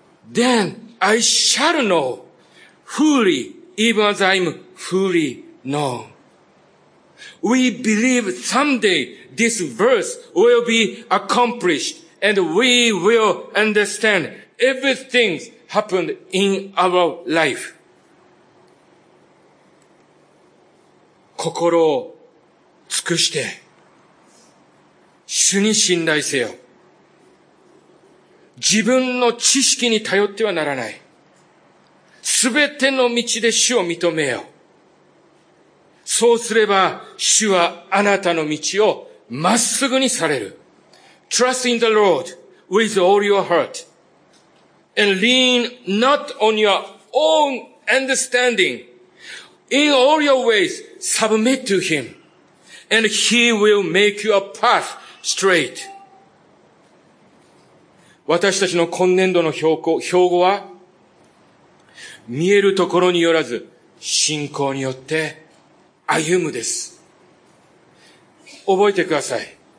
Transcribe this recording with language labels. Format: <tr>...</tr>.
<en>Then,I shall know fully, even as I'm fully known. We believe someday this verse will be accomplished and we will understand everything happened in our life.</en> <ja>心を尽くして、主に信頼せよ。自分の知識に頼ってはならない。すべての道で主を認めよ。そうすれば主はあなたの道をまっすぐにされる。</ja> <en>Trust in the Lord with all your heart and lean not on your own understanding. In all your ways, submit to Him and He will make your path straight.</en> <ja>私たちの今年度の標語は、見えるところによらず、信仰によって歩むです。覚えてください。</ja>